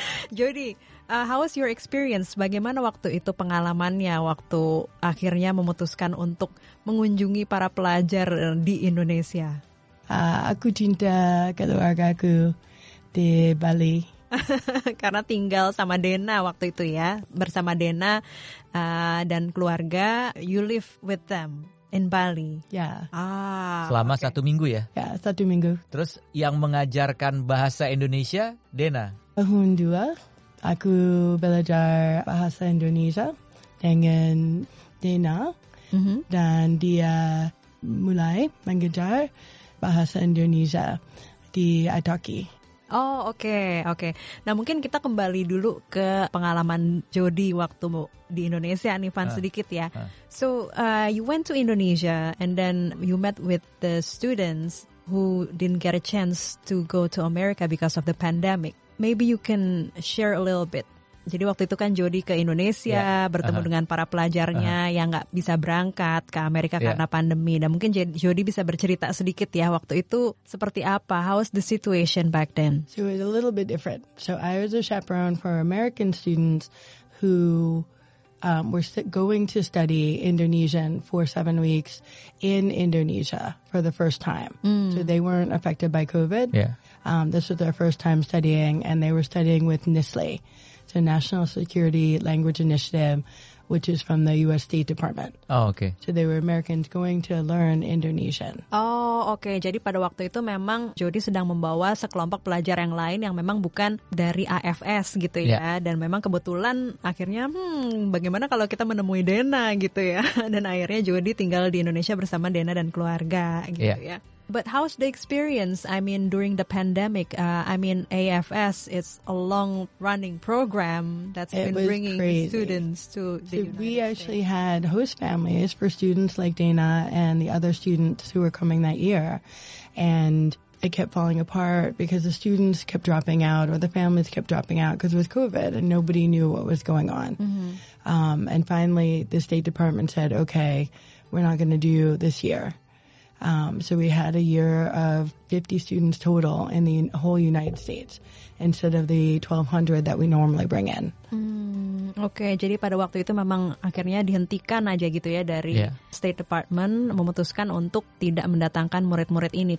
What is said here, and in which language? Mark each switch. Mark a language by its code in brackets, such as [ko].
[en] Jody, how was your experience? [id] Bagaimana waktu itu pengalamannya waktu akhirnya memutuskan untuk mengunjungi para pelajar di Indonesia? Aku cinta keluargaku di Bali. Karena tinggal sama Dena waktu itu ya, bersama Dena dan keluarga, [en] you live with them. In Bali. [id] Ya. Selama satu minggu ya? Ya, satu minggu. Terus yang mengajarkan bahasa Indonesia, Dena? Tahun 2, aku belajar bahasa Indonesia dengan Dena. Dan dia mulai mengajar bahasa Indonesia di Itoki. Oke. Nah, mungkin kita kembali dulu ke pengalaman Jody waktu di Indonesia nih, Van, sedikit ya. [en] So, you went to Indonesia and then you met with the students who didn't get a chance to go to America because of the pandemic. Maybe you can share a little bit. [id] Jadi waktu itu kan Jody ke Indonesia bertemu dengan para pelajarnya yang nggak bisa berangkat ke Amerika karena pandemi. Dan mungkin Jody bisa bercerita sedikit ya waktu itu seperti apa. [en] How was the situation back then? So it was a little bit different. So I was a chaperone for American students who were going to study Indonesian for 7 weeks in Indonesia for the first time. So they weren't affected by COVID. Yeah. This was their first time studying and they were studying with NISLE. It's a National Security Language Initiative, which is from the U.S. State Department. Oh, okay. So they were Americans going to learn Indonesian. Oh, okay. [id] Jadi pada waktu itu memang Jody sedang membawa sekelompok pelajar yang lain yang memang bukan dari AFS gitu ya. [en] Yeah. [id] Dan memang kebetulan akhirnya, bagaimana kalau kita menemui Dena gitu ya. Dan akhirnya Jody tinggal di Indonesia bersama Dena dan keluarga gitu ya. [en] But how's the experience, I mean, during the pandemic? AFS, it's a long-running program that's been bringing students to the United States. We actually had host families for students like Dena and the other students who were coming that year. And it kept falling apart because the students kept dropping out or the families kept dropping out because it was COVID and nobody knew what was going on. And finally, the State Department said, okay, we're not going to do this year. So we had a year of 50 students total in the whole United States instead of the 1,200 that we normally bring in. [id] Okay, jadi pada waktu itu memang akhirnya dihentikan aja gitu ya dari State Department memutuskan untuk tidak mendatangkan murid-murid ini.